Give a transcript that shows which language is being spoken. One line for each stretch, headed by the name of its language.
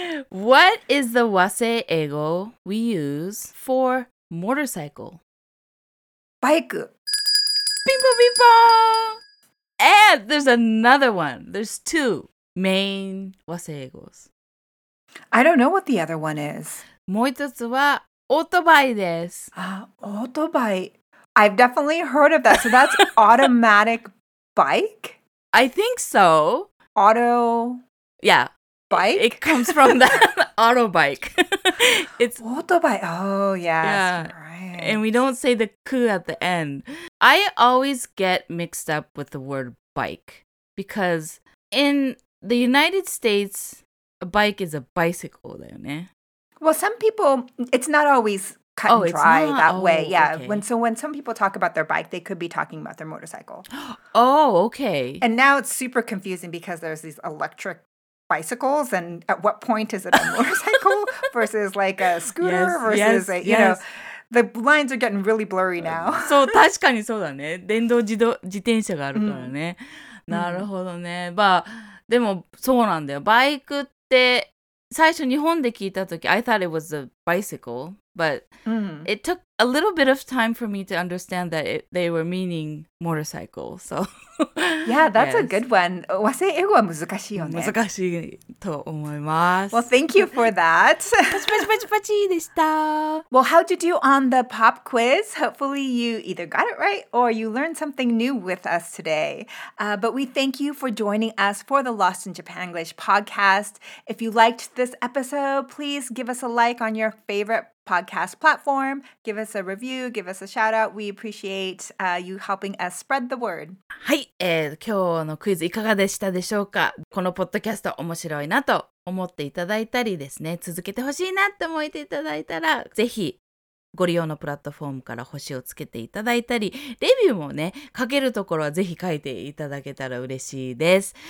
English: What is the wase eigo we use for motorcycle? Bike. Bing bong bing bong! And there's another one. There's two main wase eigos. I don't know what the other one is.
Japanese: もう一つはオートバイです。あ、オートバイ。
English: I've definitely heard of that. So that's automatic bike? I think so. Auto? Yeah. Bike? It comes from that auto bike. It's auto bike. Oh, yes. Yeah. Right. And we don't say the ku at the end. I always get mixed up with the word bike because in the United States, a bike is a bicycle,
Japanese: だよね?
English: Well, some people, it's not always... cut、 oh, and dry that、 oh, way. Yeah.、 Okay. When some people talk about their bike, they could be talking about their motorcycle. Oh, okay. And now it's super confusing because there's these electric bicycles. And at what point is it a motorcycle versus like a scooter yes, versus, a, you、 yes. know, the lines are getting really blurry now.
Japanese: So, 確かにそうだね。電動自転車があるからね。なるほどね。まあ、でもそうなんだよ。バイクって最初日本で聞いたとき、
English: I thought it was a bicycle, but it took a little bit of time for me to understand that they were meaning motorcycle. So, yeah, that's a good one.
Japanese: 和製英語は難しいよね。難しいと思います。
English: Well, thank you for that.
Japanese: パチパチパチパチでした。
English: Well, how did you on the pop quiz? Hopefully, you either got it right or you learned something new with us today. But we thank you for joining us for the Lost in Japan English podcast. If you liked this episode, please give us a like on your favorite podcast platform. Give us a review. Give us a shout out. We appreciate you helping us spread the word.
Japanese: はい、今日のクイズいかがでしたでしょうか。このポッドキャスト面白いなと思っていただいたりですね、続けてほしいなって思っていただいたら、ぜひご利用のプラットフォームから星をつけていただいたり、レビューもね、書けるところはぜひ書いていただけたら嬉しいです。